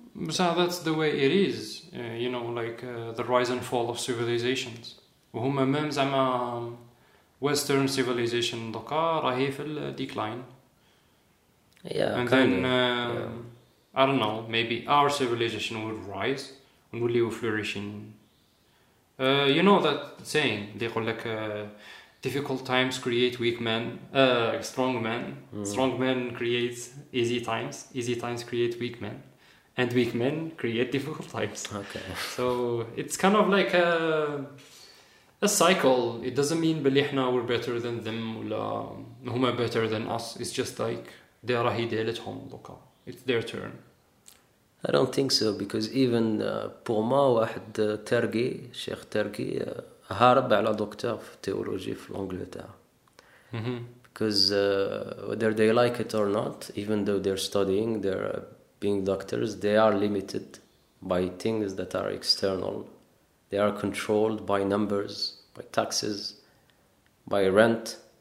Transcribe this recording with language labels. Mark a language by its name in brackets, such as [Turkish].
[English] So that's the way it is, you know, like the rise and fall of civilizations. [Arabic] وهم مام زعما [English] Western civilization [Arabic] دوكا راهي في الديكلاين. [English] Yeah, and then, I don't know, maybe our civilization would rise and would live flourishing. You know that saying, they call like difficult times create weak men, strong men. Mm. Strong men create easy times create weak men. And weak men create difficult times. Okay. So it's kind of like a cycle. It doesn't mean [Arabic] بلي حنا [English] we're better than them [Arabic] ولا هما [English] better than us. It's just like they [Arabic] راهي دالتهم دوكا. [English] It's their turn. I don't think so, because even [French] pour moi [Arabic] واحد ترقي شيخ ترقي هارب على دكتور في تيولوجي في الانجلتار. [English] Because whether they like it or not, even though they're studying, they're being doctors, they are limited by things that are external. They are controlled by numbers, by taxes, by rent.